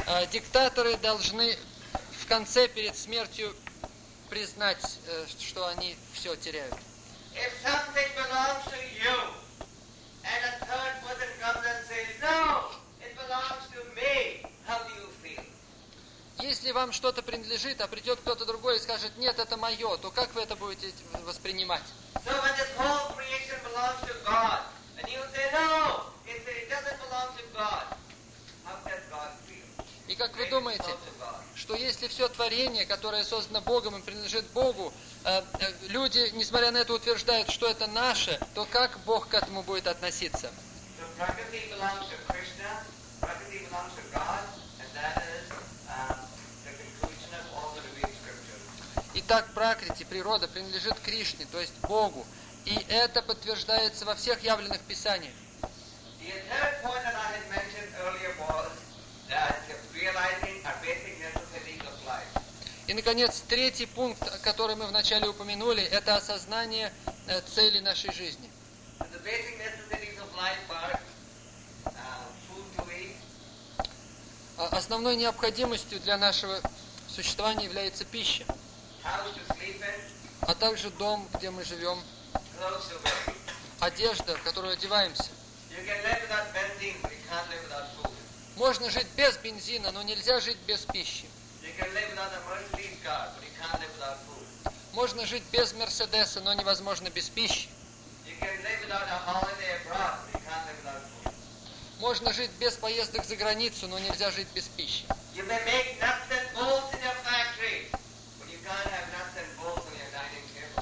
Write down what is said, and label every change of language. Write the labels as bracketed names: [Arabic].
[Russian] Диктаторы должны в конце перед смертью признать, что они все теряют. [English] If something belongs to you, and a third person comes and says, no, it belongs to me, how do you feel? [Russian] Если вам что-то принадлежит, а придет кто-то другой и скажет, нет, это мое, то как вы это будете воспринимать? [English] So when this whole creation belongs to God, and you say, no, it doesn't belong to God, how does God feel? [Russian] И как вы думаете, что если все творение, которое создано Богом и принадлежит Богу, люди, несмотря на это, утверждают, что это наше, то как Бог к этому будет относиться? [English] So Prakriti belongs to Krishna, Prakriti belongs to God, and that is the conclusion of all the revealed scriptures. [Russian] Итак, Пракрити, природа, принадлежит Кришне, то есть Богу. И это подтверждается во всех явленных писаниях. [English] The third point that I had mentioned earlier was that realizing a basic necessity of life. [Russian] И, наконец, третий пункт, который мы вначале упомянули, это осознание цели нашей жизни. [English] The basic necessities of life are food to eat. [Russian] Основной необходимостью для нашего существования является пища. [English] House to sleep in. [Russian] А также дом, где мы живем. [English] Clothes to wear. [Russian] Одежда, в которую одеваемся. [English] You can live without benzene, but you can't live without food. [Russian] Можно жить без бензина, но нельзя жить без пищи. [English] You can live without a Mercedes car, but you can't live without food. [Russian] Можно жить без Мерседеса, но невозможно без пищи. [English] You can live without a holiday abroad, but you can't live without food. [Russian] Можно жить без поездок за границу, но нельзя жить без пищи. [English] You may make nuts and bolts in your factory, but you can't have nuts and bolts on your dining table.